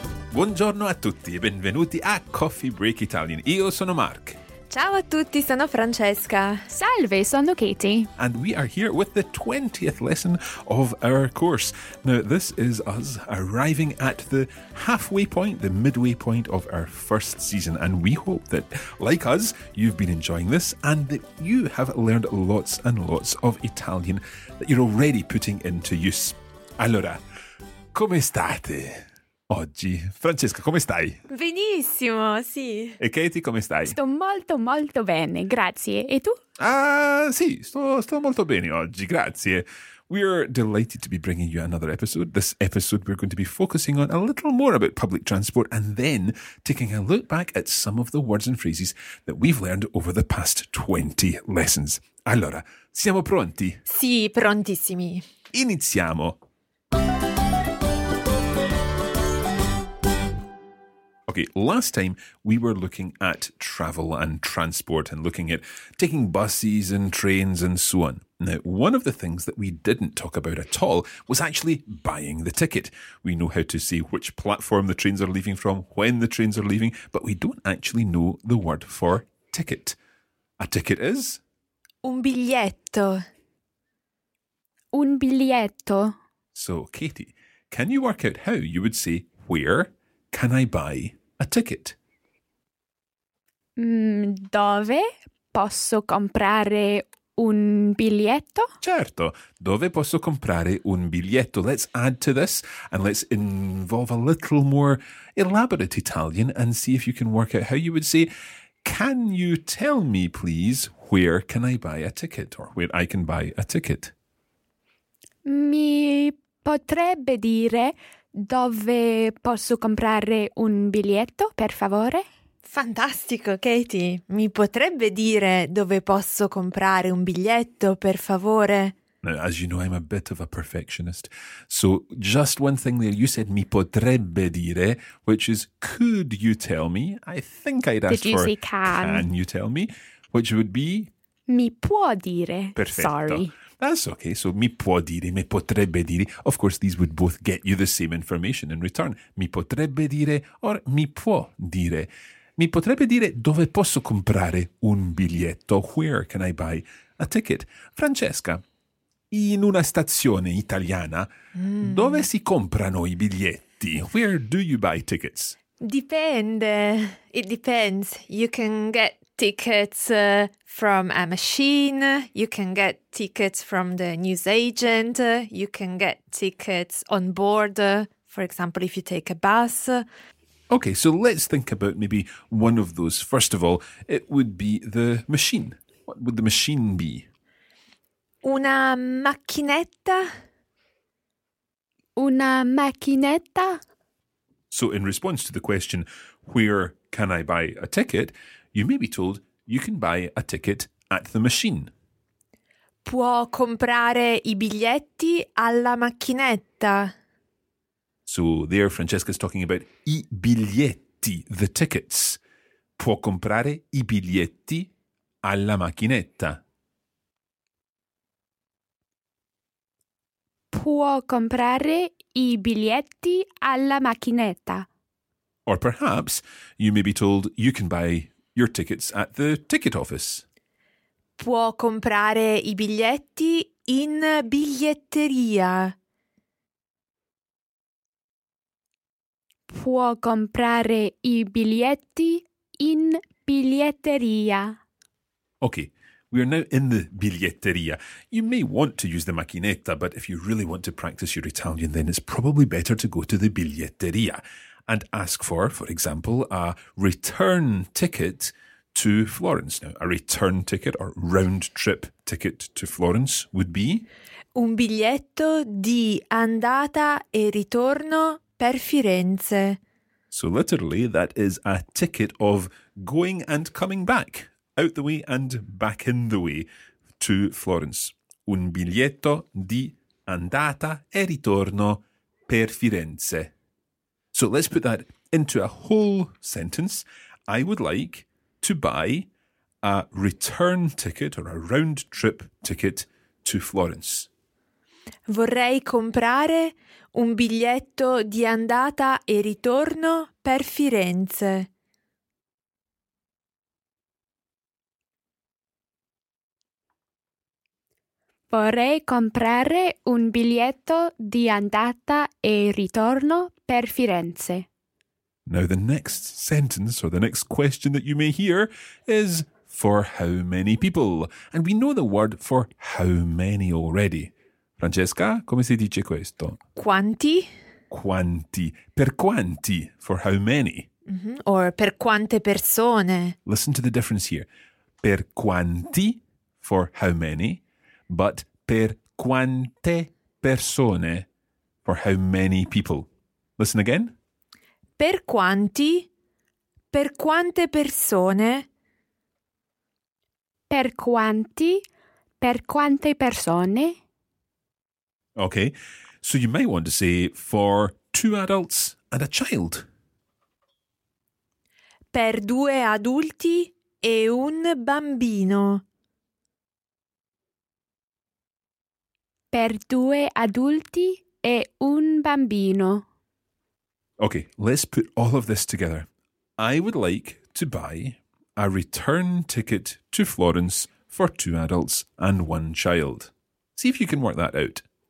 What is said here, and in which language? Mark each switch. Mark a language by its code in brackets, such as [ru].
[it] Buongiorno a tutti e benvenuti a Coffee Break Italian. Io sono Mark. Ciao a tutti, sono Francesca. Salve, sono Katie. [en] And we are here with the 20th lesson of our course. Now, this is us arriving at the halfway point, the midway point of our first season. And we hope that, like us, you've been enjoying this and that you have learned lots and lots of Italian that you're already putting into use. [it] Allora, come state oggi? Francesca, come stai? Benissimo, sì. E Katie, come stai? Sto molto, molto bene, grazie. E tu? Ah, sì, sto molto bene oggi, grazie. [en] We are delighted to be bringing you another episode. This episode we're going to be focusing on a little more about public transport and then taking a look back at some of the words and phrases that we've learned over the past 20 lessons. [it] Allora, siamo pronti? Sì, prontissimi. Iniziamo! [en] Okay, last time we were looking at travel and transport and looking at taking buses and trains and so on. Now, one of the things that we didn't talk about at all was actually buying the ticket. We know how to say which platform the trains are leaving from, when the trains are leaving, but we don't actually know the word for ticket. A ticket is? [it] Un biglietto. Un biglietto. [en] So, Katie, can you work out how you would say where can I buy a ticket? [it] Dove posso comprare un biglietto? Certo, dove posso comprare un biglietto? [en] Let's add to this and let's involve a little more elaborate Italian and see if you can work out how you would say, can you tell me, please, where can I buy a ticket or where I can buy a ticket? [it] Mi potrebbe dire dove posso comprare un biglietto, per favore? Fantastico, Katie. Mi potrebbe dire dove posso comprare un biglietto, per favore? [en] Now, as you know, I'm a bit of a perfectionist. So, just one thing there. You said [it] mi potrebbe dire, [en] which is could you tell me? I think I'd ask for can you tell me? Which would be? [it] Mi può dire. Perfetto. [en] Sorry. That's okay. [it] So, mi può dire, me potrebbe dire. [en] Of course, these would both get you the same information in return. [it] Mi potrebbe dire or mi può dire. Mi potrebbe dire dove posso comprare un biglietto. [en] Where can I buy a ticket? [it] Francesca, in una stazione italiana, dove si comprano i biglietti? [en] Where do you buy tickets? [it] Dipende. [en] It depends. You can get tickets from a machine, you can get tickets from the newsagent, you can get tickets on board, for example, if you take a bus. Okay, so let's think about maybe one of those. First of all, it would be the machine. What would the machine be? [it] Una macchinetta. Una macchinetta. [en] So in response to the question, where can I buy a ticket, you may be told, you can buy a ticket at the machine. [it] Può comprare i biglietti alla macchinetta. [en] So there Francesca's talking about [it] i biglietti, [en] the tickets. [it] Può comprare i biglietti alla macchinetta. Può comprare i biglietti alla macchinetta. [en] Or perhaps you may be told you can buy your tickets at the ticket office. [it] Può comprare i biglietti in biglietteria. Può comprare i biglietti in biglietteria. [en] Okay, we are now in the biglietteria. You may want to use the macchinetta, but if you really want to practice your Italian, then it's probably better to go to the biglietteria and ask for example, a return ticket to Florence. Now, a return ticket or round trip ticket to Florence would be? [it] Un biglietto di andata e ritorno per Firenze. [en] So literally, that is a ticket of going and coming back, out the way and back in the way to Florence. [it] Un biglietto di andata e ritorno per Firenze. [en] So let's put that into a whole sentence. I would like to buy a return ticket or a round trip ticket to Florence. [it] Vorrei comprare un biglietto di andata e ritorno per Firenze. Vorrei comprare un biglietto di andata e ritorno per Firenze. [en] Now the next sentence or the next question that you may hear is for how many people? And we know the word for how many already. [it] Francesca, come si dice questo? Quanti? Quanti. Per quanti? [en] For how many? [it] Mm-hmm. Or per quante persone? [en] Listen to the difference here. [it] Per quanti? [en] For how many? But [it] per quante persone, [en] for how many people. Listen again. [it] Per quanti, per quante persone. Per quanti, per quante persone. [en] Okay, so you might want to say for two adults and a child. [it] Per due adulti e un bambino. Per due adulti e un bambino. [en] Okay, let's put all of this together. I would like to buy a return ticket to Florence for two adults and one child. See if you can work that out.